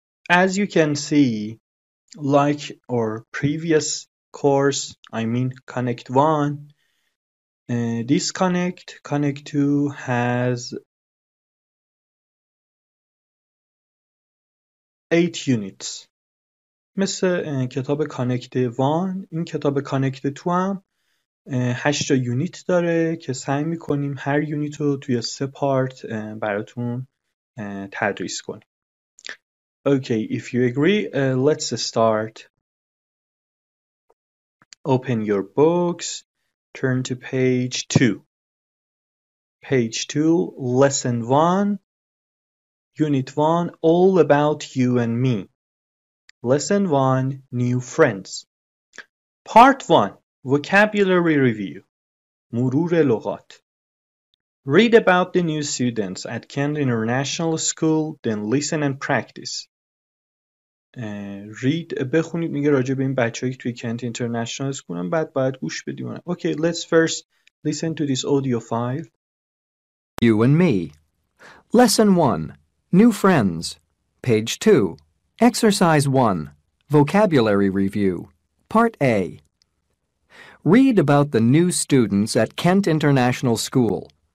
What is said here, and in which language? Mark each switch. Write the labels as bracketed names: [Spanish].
[English] As you can see, like our previous course, I mean Connect 1, this Connect 2 has 8 units. [Persian] مثل کتاب Connect 1, این کتاب Connect 2 هم 8 یونیت داره که سعی میکنیم هر یونیت رو توی 3 پارت براتون تدریس کنیم. [English] Okay, if you agree, let's start. Open your books, turn to page 2. Page 2, lesson 1, unit 1, all about you and me. Lesson 1, new friends. Part 1. Vocabulary review. [Persian] مرور لغات. [English] Read about the new students at Kent International School, then listen and practice. [Persian] Read بخونید، میگه راجع به این بچه‌ای که توی Kent International School هم، بعد باید گوش بدیم. [English] Okay, let's first listen to this audio file. You and me. Lesson 1. New friends. Page 2. Exercise 1. Vocabulary review. Part A. Read about the new students at Kent International School.